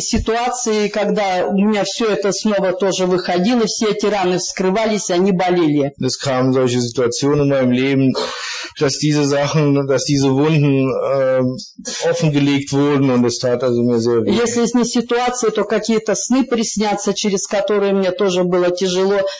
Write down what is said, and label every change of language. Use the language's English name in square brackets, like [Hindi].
[Russian] ситуации, когда у меня все это снова тоже выходило, все эти раны вскрывались, они болели. [German] Es kamen solche Situationen in meinem Leben, dass diese Sachen, dass diese Wunden offengelegt wurden, und es tat also mir sehr weh. [Russian] Если не ситуации, то какие-то сны приснятся, через которые мне тоже было тяжело.